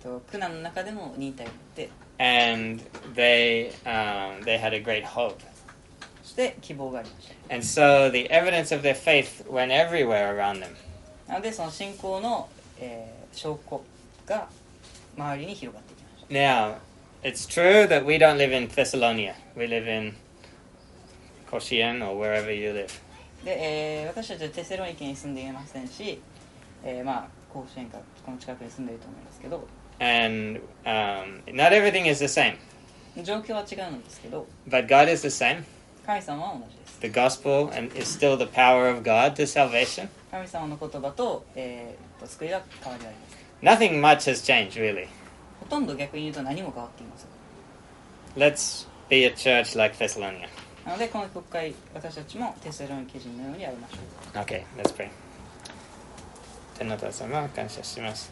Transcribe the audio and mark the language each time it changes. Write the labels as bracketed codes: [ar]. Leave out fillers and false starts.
[ja] 苦難の中でも忍耐があって。 [en] And they had a great hope. [ja] そして希望がありました。 [en] And so the evidence of their faith went everywhere around them. [ja] なのでその信仰の、証拠が周りに広がっていきました。 [en] Now,It's true that we don't live in Thessalonia. We live in Koshien or wherever you live. [ja] で、私たちはテセロニケに住んでいませんし、まあ、甲子園かこの近くに住んでいると思いますけど。 [en] And not everything is the same. [ja] 状況は違うんですけど。 [en] But God is the same. [ja] 神様は同じです。 [en] The gospel and is still the power of God to salvation. [ja] 神様の言葉と、救いは変わりはありません。 [en] Nothing much has changed, really. [ja] ほとんど逆に言うと何も変わっていません。 [en] Let's be a church like Thessalonia. [ja] なので、この国会、私たちもテサロニケ人のようにやりましょう。 [en] Okay, let's pray. [ja] 天の父様、感謝します。